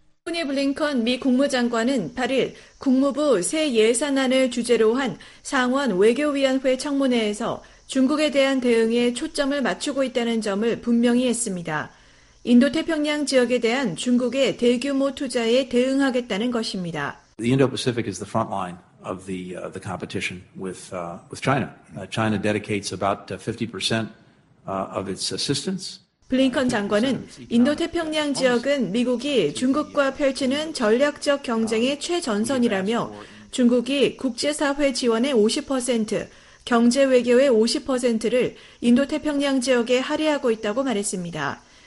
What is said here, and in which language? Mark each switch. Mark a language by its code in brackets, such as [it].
[ko] 토니 블링컨 미 국무장관은 8일 국무부 새 예산안을 주제로 한 상원 외교위원회 청문회에서 중국에 대한 대응에 초점을 맞추고 있다는 점을 분명히 했습니다. 인도-태평양 지역에 대한 중국의 대규모 투자에 대응하겠다는 것입니다. [en] The Indo-Pacific is the front line of the competition with China. China dedicates about 50% of its assistance. [ko] 블링컨 장관은 인도-태평양 지역은 미국이 중국과 펼치는 전략적 경쟁의 최전선이라며 중국이 국제사회 지원의 50%, 경제 외교의 50%를 인도-태평양 지역에 할애하고 있다고 말했습니다.